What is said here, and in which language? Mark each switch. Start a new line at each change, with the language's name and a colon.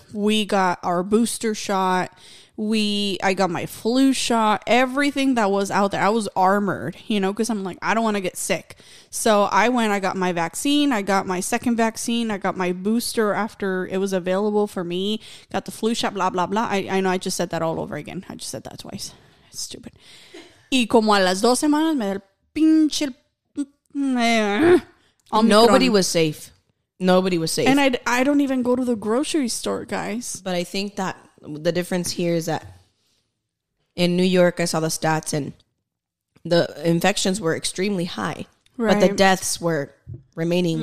English: We got our booster shot. I got my flu shot. Everything that was out there, I was armored, you know, because I'm like, I don't want to get sick. So I went, I got my vaccine, I got my second vaccine, I got my booster after it was available for me, got the flu shot, blah blah blah. I know I just said that all over again. I just said that twice. It's stupid.
Spanish: Y como a las dos semanas me da el pinche
English: Omicron. Nobody was safe. Nobody was safe. And I don't even go to the grocery store, guys. But I think that the difference here is that in New York, I saw the stats and the infections were extremely high, right, but the deaths were remaining